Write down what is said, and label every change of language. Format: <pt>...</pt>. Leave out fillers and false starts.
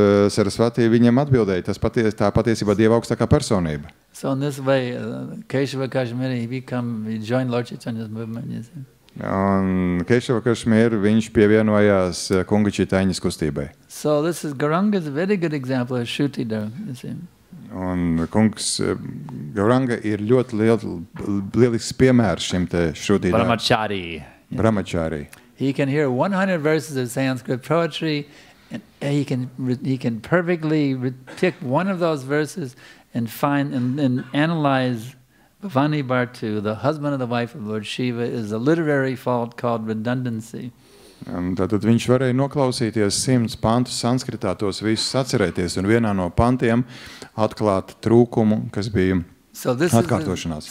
<lv>Saraswati viņam atbildēja, tā patiesībā Dieva augstākā personība.</lv> <en>So in this way, Keshava Kashmiri, he joined Lord Chaitanya's movement.</en> <lv>Un Keshava Kashmir, viņš pievienojās Kunga Čitaiņas kustībai.</lv> <en>So this is Gauranga's very good example of Shruti Dharma.</en> <lv>Un Kungs Gauranga ir ļoti lielisks piemērs šim te Shruti Dharma. Brahmachari. Brahmachari.</lv> <en>He can hear 100 verses of Sanskrit poetry and he can perfectly pick one of those verses and find and analyze Bhavani Bhartu, the husband of the wife of Lord Shiva, is a literary fault called redundancy.</en> <lv>Tātad viņš varēja noklausīties 100 pantus sanskritā, tos visus atcerēties, un vienā no pantiem atklāt trūkumu, kas bija atkārtošanās.</lv>